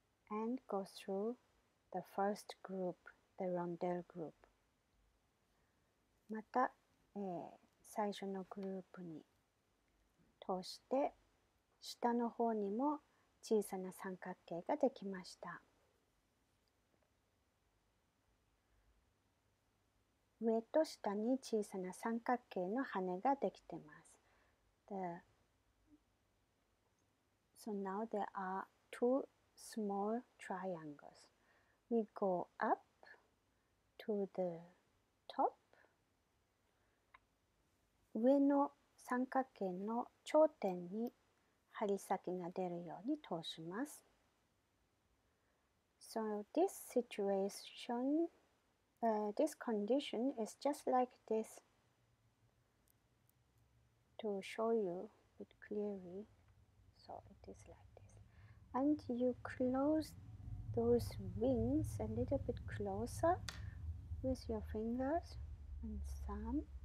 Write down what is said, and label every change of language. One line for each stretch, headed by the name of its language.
English: And go through the first group, the rondelle group.
Japanese: また、最初のグループに通して、下の方にも小さな三角形ができました。上と下に小さな三角形の羽ができてます。
English: So now there are two small triangles. We go up to the top.
Japanese: 上の三角形の頂点に針先が出るように通します。
English: So this situation. This condition is just like this to show you it clearly. So it is like this. And you close those wings a little bit closer with your fingers and thumb.